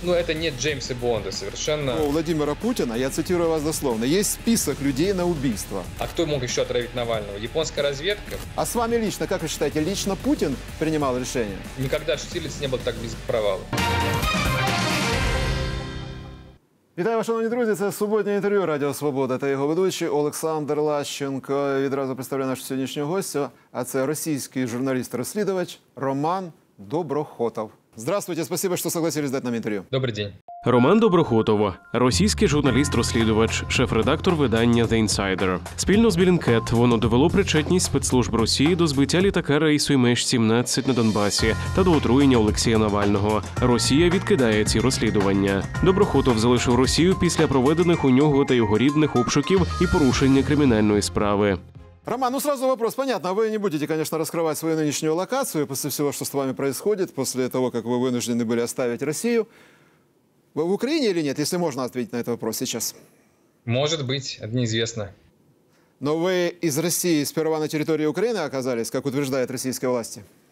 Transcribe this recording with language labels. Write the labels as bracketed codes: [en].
[ru] Ну, это не Джеймса Бонда совершенно. У Владимира Путина, я цитирую вас дословно, есть список людей на убийство. А кто мог еще отравить Навального? Японская разведка? А с вами лично, как вы считаете, лично Путин принимал решение? Никогда Штирлиц не был так близко к провалу. [uk] Вітаю, шановні друзі. Це суботнє інтерв'ю Радіо Свобода та його ведучий Олександр Лащенко. Відразу представляю нашого сьогоднішнього гостя. А це російський журналіст-розслідувач Роман Доброхотов. [ru] Здравствуйте, спасибо, что согласились дать нам интервью. Добрый день. [uk] Роман Доброхотов, російський журналіст-розслідувач, шеф-редактор видання The Insider. Спільно з Bellingcat воно довело причетність спецслужб Росії до збиття літака рейсу MH17 на Донбасі та до отруєння Олексія Навального. Росія відкидає ці розслідування. Доброхотов залишив Росію після проведених у нього та його рідних обшуків і порушення кримінальної справи. [ru] Роман, ну сразу вопрос. Понятно, вы не будете, конечно, раскрывать свою нынешнюю локацию после всего, что с вами происходит, после того, как вы вынуждены были оставить Россию. Вы в Украине или нет, если можно ответить на этот вопрос сейчас? Может быть, это неизвестно. Но вы из России сперва на территории Украины оказались, как утверждают российские власти?